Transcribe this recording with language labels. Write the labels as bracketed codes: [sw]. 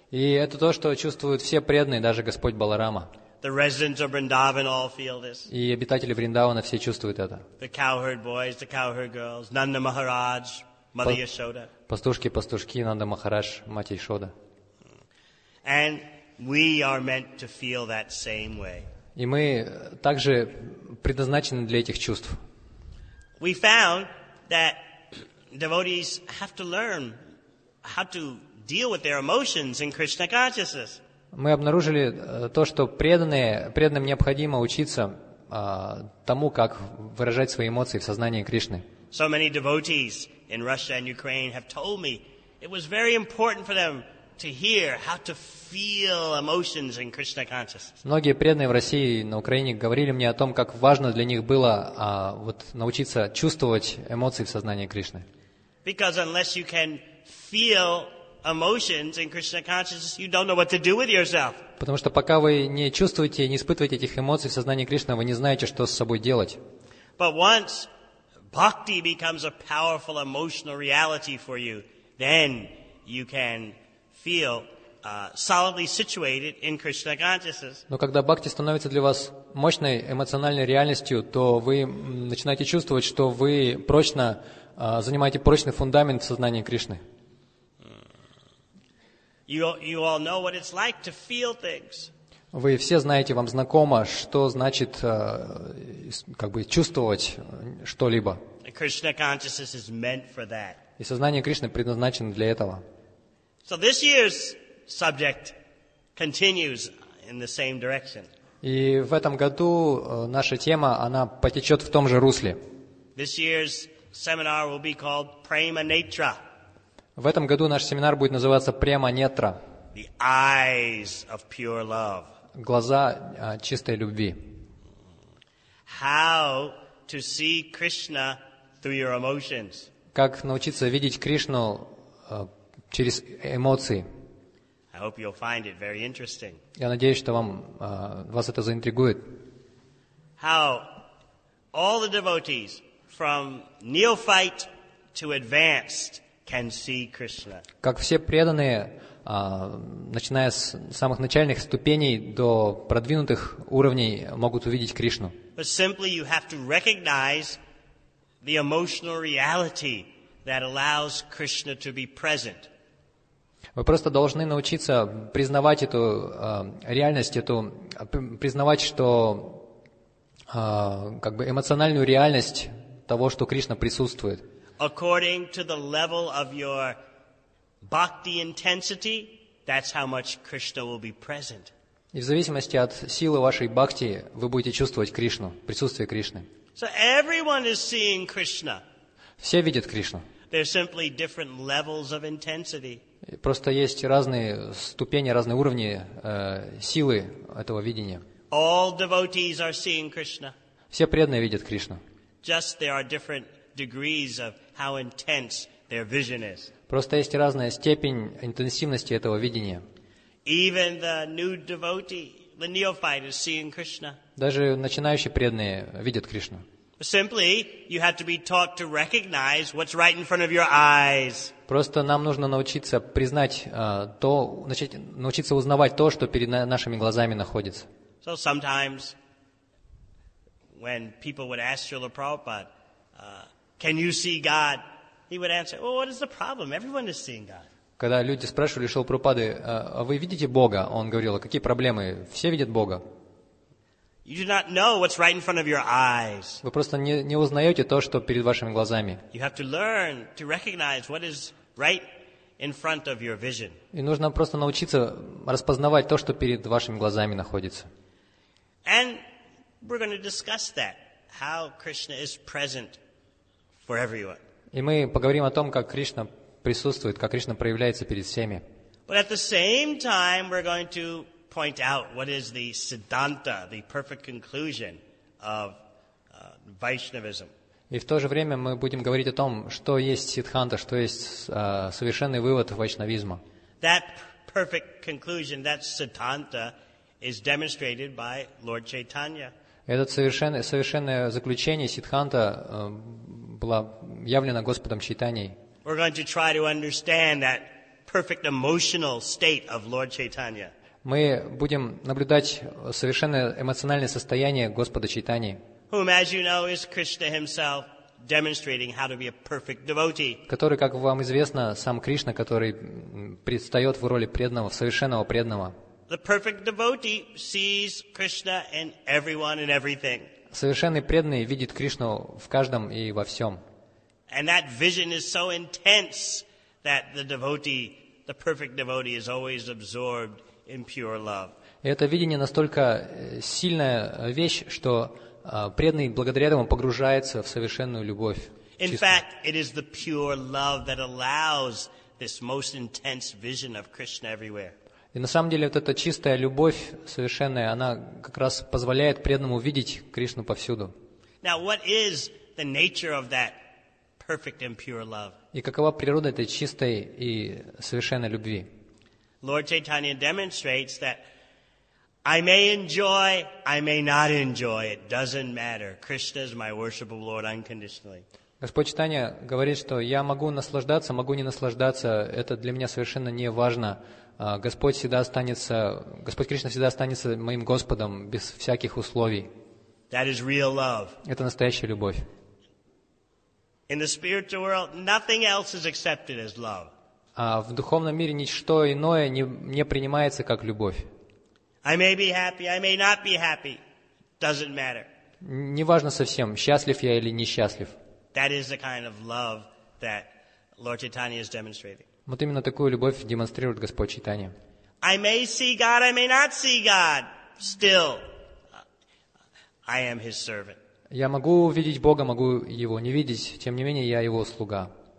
[ru] И это то, что чувствуют все преданные, даже Господь Баларама. [en] The residents of Vrindavan all feel this. [ru] И обитатели Вриндавана все чувствуют это. [en] The cowherd boys, the cowherd girls, Nanda Maharaj, Mother Yashoda. [ru] Пастушки, пастушки, Нанда Махарадж, Мать Яшода. [en] And we are meant to feel that same way. [ru] И мы также предназначены для этих чувств. [en] We found that devotees have to learn how to deal with their emotions in Krishna consciousness. [ru] Мы обнаружили то, что преданным необходимо учиться тому, как выражать свои эмоции в сознании Кришны. [en] So many devotees in Russia and Ukraine have told me it was very important for them to hear how to feel emotions in Krishna consciousness. [ru] Многие преданные в России и на Украине говорили мне о том, как важно для них было вот научиться чувствовать эмоции в сознании Кришны. [en] Because unless you can feel emotions in Krishna consciousness, you don't know what to do with yourself. [ru] Потому что пока вы не чувствуете, не испытываете этих эмоций в сознании Кришны, вы не знаете, что с собой делать. [en] But once bhakti becomes a powerful emotional reality for you, then you can feel solidly situated in Krishna consciousness. [ru] Но когда бхакти становится для вас мощной эмоциональной реальностью, то вы начинаете чувствовать, что вы прочно занимаете прочный фундамент в сознании Кришны. [en] You all know what it's like to feel things. [ru] Вы все знаете, вам знакомо, что значит как бы чувствовать что-либо. [en] Krishna consciousness is meant for that. [ru] И сознание Кришны предназначено для этого. [en] So this year's subject continues in the same direction. [ru] И в этом году наша тема, она потечет в том же русле. [en] This year's seminar will be called Prema Netra. [ru] В этом году наш семинар будет называться «Према Нетра». [en] The eyes of pure love. [ru] Глаза чистой любви. [en] How to see Krishna through your emotions. [ru] Как научиться видеть Кришну через эмоции. [en] I hope you'll find it very interesting. [ru] Я надеюсь, что вас это заинтригует. [en] How all the devotees from neophyte to advanced can see Krishna. [ru] Как все преданные, начиная с самых начальных ступеней до продвинутых уровней, могут увидеть Кришну. [en] But simply you have to recognize the emotional reality that allows Krishna to be present. [ru] Вы просто должны научиться признавать эту реальность, признавать, что как бы эмоциональную реальность того, что Кришна присутствует. [en] According to the level of your bhakti intensity, that's how much Krishna will be present. [ru] И в зависимости от силы вашей бхакти, вы будете чувствовать Кришну, присутствие Кришны. [en] So everyone is seeing Krishna. [ru] Все видят Кришну. [en] There are simply different levels of intensity. [ru] Просто есть разные ступени, разные уровни силы этого видения. [en] All devotees are seeing Krishna. [ru] Все преданные видят Кришну. [en] Just there are different degrees of how intense their vision is. [ru] Просто есть разная степень интенсивности этого видения. [en] Even the new devotee, the neophyte, is seeing Krishna. [ru] Даже начинающие преданные видят Кришну. [en] Simply, you have to be taught to recognize what's right in front of your eyes. [ru] Просто нам нужно научиться признать то, начать научиться узнавать то, что перед нашими глазами находится. [en] So sometimes, when people would ask Srila Prabhupada, can you see God? He would answer, well, what is the problem? Everyone is seeing God. [ru] Когда люди спрашивали Шрилу Прабхупаду, а вы видите Бога? Он говорил, какие проблемы? Все видят Бога. [en] You do not know what's right in front of your eyes. [ru] Вы просто не узнаете то, что перед вашими глазами. [en] You have to learn to recognize what is right in front of your vision. [ru] И нужно просто научиться распознавать то, что перед вашими глазами находится. [en] And we're going to discuss that, how Krishna is present for everyone. [ru] И мы поговорим о том, как Кришна присутствует, как Кришна проявляется перед всеми. [en] But at the same time, we're going to point out what is the Siddhanta, the perfect conclusion of Vaishnavism. [ru] И в то же время мы будем говорить о том, что есть Сиддханта, что есть совершенный вывод вайшнавизма. [en] That perfect conclusion, that Siddhanta, is demonstrated by Lord Chaitanya. [ru] Этот совершенное заключение Сиддханта было явлено Господом Чайтаньей. [en] We're going to try to understand that perfect emotional state of Lord Chaitanya. [ru] Мы будем наблюдать совершенное эмоциональное состояние Господа Чайтаньи. [en] Whom, as you know, is Krishna himself demonstrating how to be a perfect devotee. [ru] Который, как вам известно, сам Кришна, который предстает в роли преданного, совершенного преданного. [en] The perfect devotee sees Krishna in everyone and everything. [ru] Совершенный преданный видит Кришну в каждом и во всем. [en] And that vision is so intense that the devotee, the perfect devotee, is always absorbed in pure love. [ru] И это видение настолько сильная вещь, что преданный благодаря этому погружается в совершенную любовь. [en] In fact, it is the pure love that allows this most intense vision of Krishna everywhere. [ru] И на самом деле вот эта чистая любовь совершенная, она как раз позволяет преданному видеть Кришну повсюду. [en] Now, what is the nature of that perfect and pure love? [ru] И какова природа этой чистой и совершенной любви? [en] Lord Chaitanya demonстрирует, что I may enjoy, I may not enjoy, it doesn't matter. Krishna is my worshipable Lord unconditionally. [ru] Господь Чайтанья говорит, что я могу наслаждаться, могу не наслаждаться, это для меня совершенно не важно. Господь всегда останется, Господь Кришна всегда останется моим Господом без всяких условий. [en] That is real love. [ru] Это настоящая любовь. [en] In the spiritual world, nothing else is accepted as love. [ru] А в духовном мире ничто иное не принимается как любовь. [en] I may be happy, I may not be happy. Doesn't matter. [ru] Неважно совсем, счастлив я или несчастлив. [en] That is the kind of love that Lord Chaitanya is demonstrating. [ru] Вот именно такую любовь демонстрирует Господь Чайтанья. [en] I may see God, I may not see God. Still, I am his servant. [ru] Я могу видеть Бога, могу его не видеть, тем не менее я его слуга.